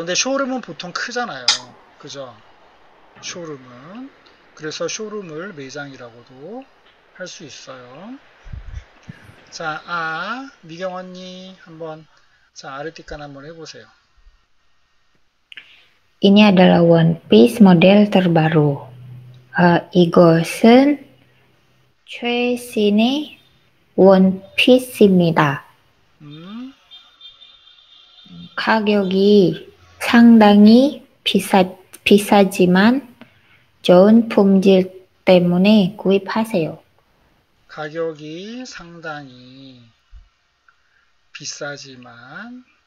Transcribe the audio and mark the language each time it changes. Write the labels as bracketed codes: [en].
[ko] 근데 쇼룸은 보통 크잖아요. 그죠? 쇼룸은. 그래서 쇼룸을 매장이라고도 할수 있어요. 자, 미경 언니 한번 자, 아르티칸 한번 해보세요. [id] Ini adalah One Piece model terbaru. [ko] Igosen Chesine One Piece입니다. 가격이 상당히 비싸지만 좋은 품질 때문에 구입하세요. 가격이 상당히 비싸지만